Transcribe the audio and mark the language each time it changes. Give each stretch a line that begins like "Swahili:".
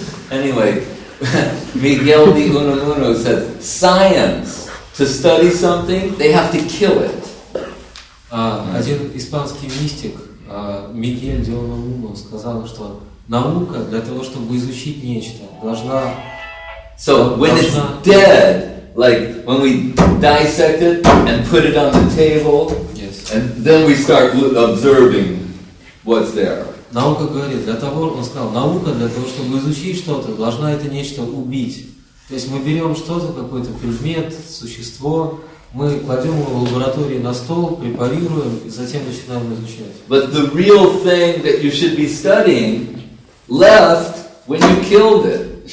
English: Anyway, Miguel de Unamuno said, science, to study something, they have to kill it.
Russian: Один испанский мистик, Мигель де Унамуно, сказал, что наука для того, чтобы изучить нечто, должна...
English: So, when it's dead, like when we dissect it and put it on the table, yes, and then we start observing what's there.
Russian: Наука говорит, для того, он сказал, наука для того, чтобы изучить что-то, должна это нечто убить. То есть мы берем что-то, какой-то предмет, существо, мы кладем его в лаборатории на стол, препарируем и затем начинаем изучать.
English: But the real thing that you should be studying left when you killed it.